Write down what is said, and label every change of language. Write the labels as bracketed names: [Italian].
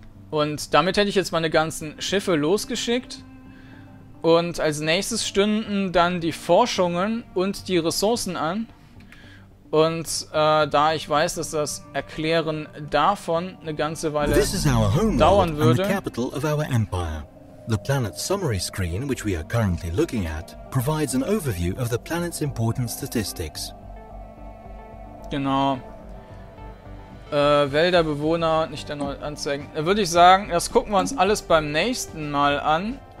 [German] Und damit hätte ich jetzt meine ganzen Schiffe losgeschickt. Und als nächstes stünden dann die Forschungen und die Ressourcen an. Und da ich weiß, dass das Erklären davon eine ganze Weile dauern würde. [English] Capital of our empire. The planet summary screen, which we are currently looking at, provides an overview of the planet's important statistics. [German] Genau. Wälderbewohner, nicht erneut anzeigen. Da würde ich sagen, das gucken wir uns alles beim nächsten Mal an.